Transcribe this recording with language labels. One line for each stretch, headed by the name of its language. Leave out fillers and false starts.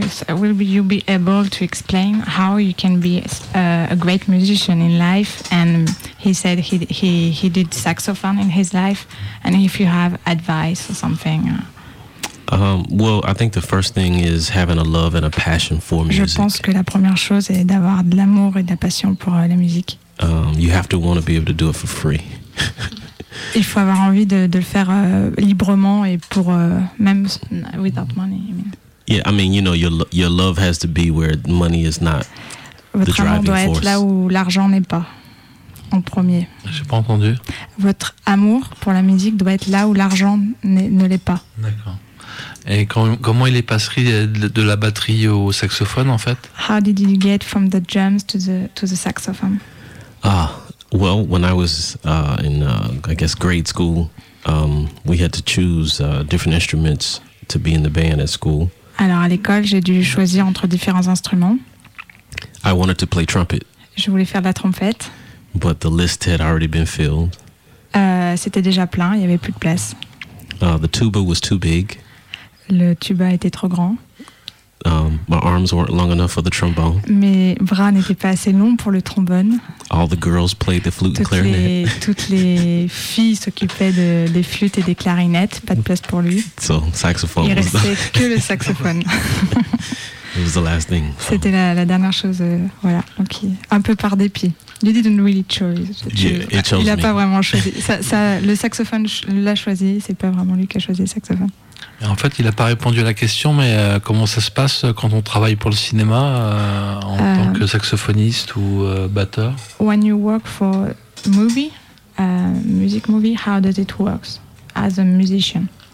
English: Will you be able to explain how you can be a great musician in life? And he said he did saxophone in his life, and if you have advice or something. Well, I think the first thing is having a love and a passion for music.
French: Je pense que la première chose est d'avoir de l'amour et de la passion pour la musique.
English: You have to want to be able to do it for free.
French: Il faut avoir envie de le faire librement et pour même
English: without money. Your love has to be where money is not.
French: Votre amour doit être là où l'argent n'est pas, en premier. J'ai pas entendu. Votre amour pour la musique doit être là où l'argent ne l'est pas. D'accord. Et comment il est passé de la batterie au saxophone en fait?
English: How did you get from the drums to the saxophone? Ah. Well, when I was in grade school, we had to choose different instruments to be in the band at school.
French: Alors à l'école, j'ai dû choisir entre différents instruments.
English: I wanted to play trumpet.
French: Je voulais faire de la trompette.
English: But the list had already been filled.
French: C'était déjà plein, il n'y avait plus de place.
English: The tuba was too big.
French: Le tuba était trop grand.
English: My arms weren't long enough for the trombone.
French: Mes bras n'étaient pas assez longs pour le trombone.
English: All the girls played the flute and clarinet.
French: Toutes les filles s'occupaient des flûtes et des clarinettes. Pas de place pour lui.
English: So saxophone.
French: Il restait que le saxophone.
English: It was the last thing.
French: C'était la dernière chose. Voilà. Donc un peu par dépit.
English: You didn't really choose. Yeah, it chose
French: il n'a pas vraiment choisi. Le saxophone l'a choisi. C'est pas vraiment lui qui a choisi le saxophone. En fait, il n'a pas répondu à la question, mais comment ça se passe quand on travaille pour le cinéma en tant que saxophoniste ou batteur?
English: When you work for movie, music movie, how does it works as a musician?